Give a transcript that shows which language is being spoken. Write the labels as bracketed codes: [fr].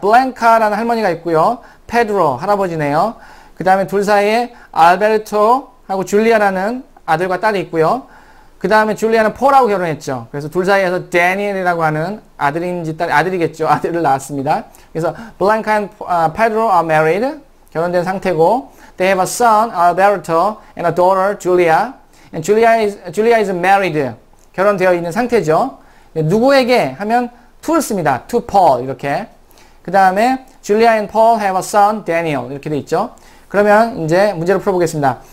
[ko] 블랭카라는 할머니가 있고요. 페드로 할아버지네요. 그 다음에 둘 사이에 알베르토하고 줄리아라는 아들과 딸이 있고요. 그 다음에 줄리아는 포라고 결혼했죠. 그래서 둘 사이에서 데니엘이라고 하는 아들인지 딸 아들이겠죠. 아들을 낳았습니다. 그래서 블랭카 [en] and Pedro are married. [ko] 결혼된 상태고 [en] They have a son, Alberto, and a daughter, Julia. And Julia is married. [ko] 결혼되어 있는 상태죠. 누구에게 하면 to를 씁니다. [en] To Paul [ko] 이렇게. 그 다음에 [en] Julia and Paul have a son Daniel [ko] 이렇게 돼 있죠. 그러면 이제 문제를 풀어보겠습니다.